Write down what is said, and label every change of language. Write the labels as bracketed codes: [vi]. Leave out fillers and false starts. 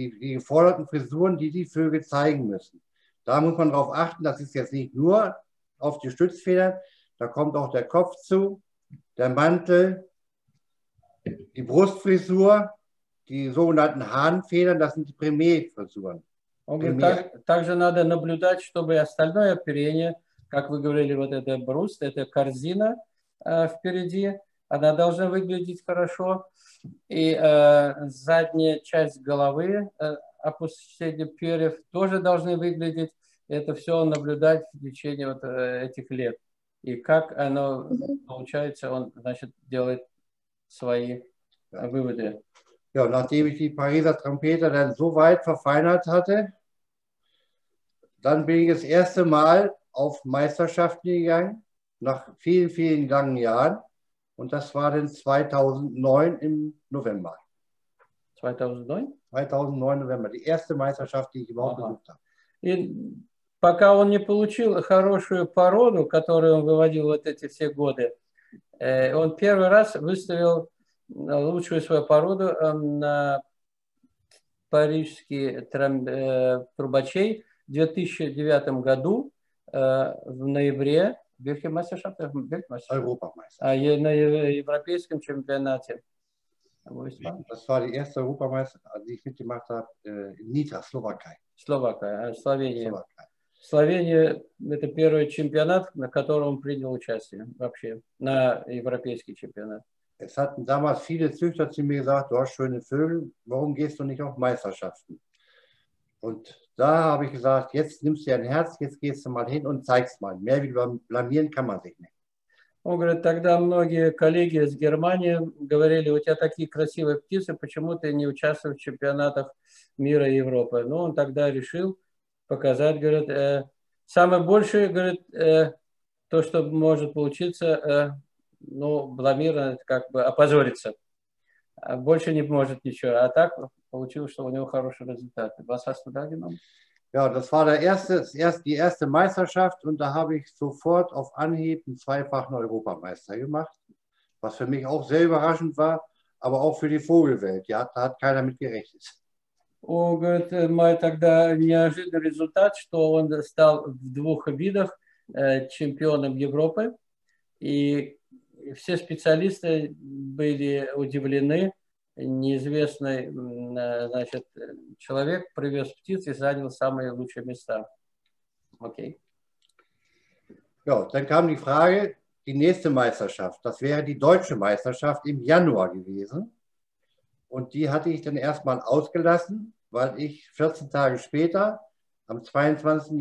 [de] Die geforderten Frisuren, die Vögel zeigen müssen. Da muss man darauf achten, das ist jetzt nicht nur auf die Stützfedern, da kommt auch der Kopf zu, der Mantel, die Brustfrisur, die sogenannten Hahnfedern, das sind die Primärfrisuren. [ru] Также надо наблюдать, чтобы остальное оперение, как вы говорили, вот эта брусть, эта корзина впереди, она должна выглядеть хорошо. И задняя часть головы, опущение перьев, тоже должны выглядеть. Это все наблюдать в течение вот этих лет. И как оно получается, он, значит, делает свои выводы. [de] Ja, nachdem ich die Pariser Trompeter dann so weit verfeinert hatte, dann bin ich das erste Mal auf Meisterschaften gegangen, nach vielen, vielen langen Jahren. Und das war dann 2009 im November. 2009 November, die erste Meisterschaft, die ich überhaupt besucht habe. [ru] И пока он не получил хорошую породу, которую он выводил вот эти все годы, он первый раз выставил лучшую свою породу на парижские трубачей в 2009 году в ноябре на европейском чемпионате. [de] Das war die erste Europameisterschaft, die ich mitgemacht habe in Nitra, Slowakei. [ru] Словения. Словения – это первый чемпионат, на котором он принял участие вообще, на европейский чемпионат. [de] Es hatten damals viele Züchter zu mir gesagt, du hast schöne Vögel, warum gehst du nicht auf Meisterschaften? Und da habe ich gesagt, jetzt nimmst du dein Herz, jetzt gehst du mal hin und zeigst mal. Mehr wie blamieren kann man sich nicht. [ru] Он говорит, тогда многие коллеги из Германии говорили, у тебя такие красивые птицы, почему ты не участвуешь в чемпионатах мира и Европы? Ну, он тогда решил показать, говорит, самое большее, говорит, то, что может получиться, ну, бламирован, как бы опозориться. Больше не может ничего. А так получилось, что у него хороший результат. [de] Was hast du da genommen? Ja, das war der erste, die erste Meisterschaft und da habe ich sofort auf Anhieb einen zweifachen Europameister gemacht, was für mich auch sehr überraschend war, aber auch für die Vogelwelt. Ja, da hat keiner mit gerechnet. Und mein [ru] тогда неожиданный результат, что он стал в двух видах чемпионом Европы, и все специалисты были удивлены. Неизвестный, значит, человек привез птиц и занял самые лучшие места. Окей. [de] Okay. Ja, dann kam die Frage, die nächste Meisterschaft, das wäre die deutsche Meisterschaft im Januar gewesen. Und die hatte ich dann erstmal ausgelassen, weil ich 14 Tage später, am 22.